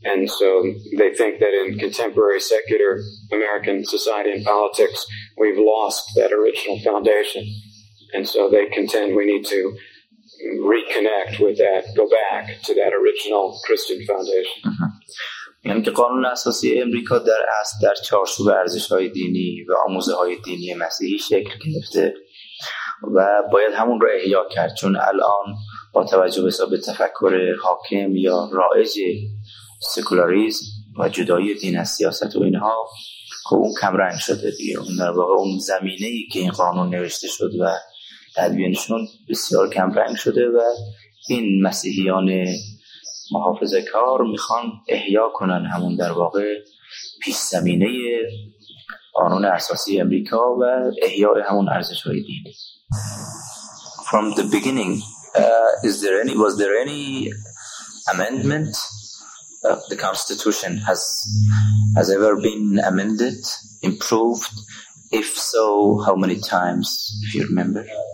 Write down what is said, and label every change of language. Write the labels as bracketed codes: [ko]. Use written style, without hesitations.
[en] And so they think that in contemporary secular American society and politics, we've lost that original foundation. And so they contend we need to reconnect with that, go back to that original Christian foundation. [fa] یعنی که قانون اساسی امریکا در اصل در چارچوب ارزش‌های دینی و آموزه‌های دینی مسیحی شکل گرفته و باید همون رو احیا کرد، چون الان با توجه به سبک تفکر حاکم یا رایج سکولاریسم و جدایی دین از سیاست و اینها، خب اون کم رنگ شده دیگه. اون در واقع اون زمینه‌ای که این قانون نوشته شد و تدوینشون بسیار کم رنگ شده و این مسیحیان محافظه کار میخوان احیا کنن همون در واقع پیش زمینه قانون اساسی امریکا و احیای همون ارزش‌های دینی. [en] From the beginning, was there any amendment of the constitution? Has ever been amended, improved? If so, how many times, if you remember?